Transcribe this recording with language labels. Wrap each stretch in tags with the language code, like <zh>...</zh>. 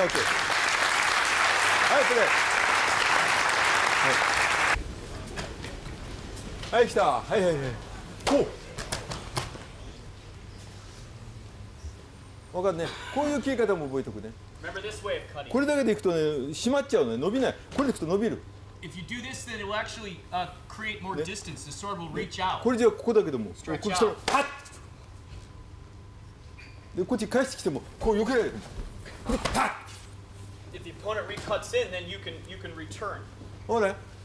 <ja>はい、プレー。はい、来た。はい、はい、はい。こう。分かるね。こういう切り方も覚えておくね。これだけでいくとね、締まっちゃうね。伸びない。これでいくと伸びる。</ja> <en>If you do this, then it will actually create more distance. The sword will reach out.</en> <ja>これじゃここだけでも。</ja> <en>Stretch out.</en> <ja>パッ。でこっち返してきてもこう避けられる。これパッ。</ja> <en>If the opponent recuts in, then you can return.</en> <ja>ほら。ね。</ja>